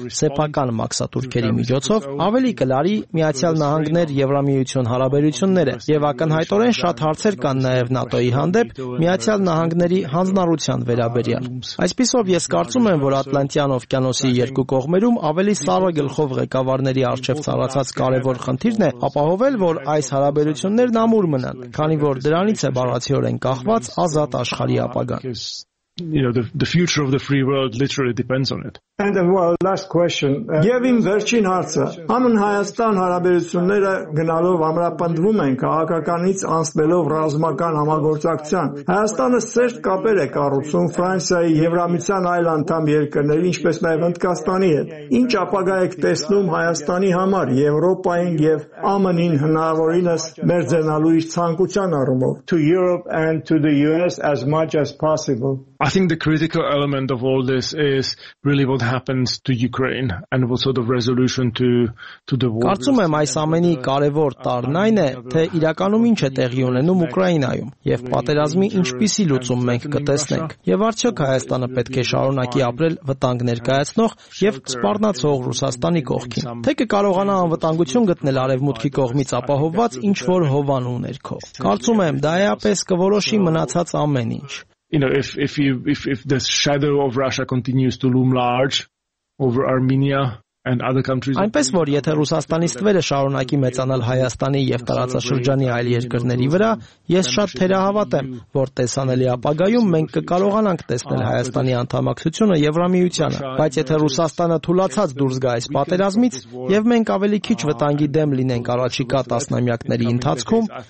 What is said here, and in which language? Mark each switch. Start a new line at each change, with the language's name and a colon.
Armenian: սեփական մաքսատուրքերի միջոցով, ավելի կլարի Միացյալ Նահանգներ Եվրամիություն հարաբերությունները, եւ ակնհայտորեն շատ հարցեր կան նաեւ ՆԱՏՕ-ի հանդեպ Միացյալ Նահանգների հանձնառության վերաբերյալ։ Այսպիսով ես կարծում եմ, որ Ատլանտյան օվկիանոսի երկու կողմերում ավելի սառը գլխով ղեկավարների առջև ծառացած կարևոր խնդիրն է ապահովել, որ այս հարաբերություններն ամուր մնան, քանի որ դրանից է բառացիորեն կախված ազատ աշխարհի ապագան։
English: You know, the future of the free world literally depends on it. And well, last question.
Armenian: Եվ իմ վերջին հարցը. ԱՄՆ Հայաստան հարաբերությունները գնալով ամրապնդվում են քաղաքականից անցնելով ռազմական համագործակցության։ Հայաստանը սերտ կապեր է կառուցում Ֆրանսիայի, Եվրամիության այլ անդամ երկրների, ինչպես նաև Հնդկաստանի հետ։ Ինչ ապագա եք տեսնում Հայաստանի համար Եվրոպային եւ ԱՄՆ-ին հնարավորինս մերձենալու իր ցանկության առումով?
English: To Europe and to the US as much as possible. I think the critical element of all this is really what happens to Ukraine and what sort of resolution to the war.
Armenian: Կարծում եմ, այս ամենի կարևոր տարն այն է, թե իրականում ինչ է տեղի ունենում Ուկրաինայում եւ պատերազմի ինչպիսի լուծում մենք կտեսնենք եւ արդյոք Հայաստանը պետք է շարունակի ապրել վտանգ ներկայացնող եւ սպառնացող Ռուսաստանի կողքին, թե կարողանա անվտանգություն գտնել արևմուտքի կողմից ապահովված ինչ-որ հովանու ներքո։ Կարծում եմ, դա էապես կորոշի մնացած ամեն ինչ։
English: You know, if the shadow of Russia continues to loom large over Armenia,
Armenian: Այնպես որ, եթե Ռուսաստանի ստվերը շարունակի մեծանալ Հայաստանի և տարածաշրջանի այլ երկրների վրա, ես շատ թերահավատ եմ, որ տեսանելի ապագայում մենք կկարողանանք տեսնել Հայաստանի անդամակցությունը Եվրամիությանը, բայց եթե Ռուսաստանը թուլացած դուրս գա այս պատերազմից, և մենք ավելի քիչ վտանգի դեմ լինենք առաջիկա տասնամյակների ընթացքում,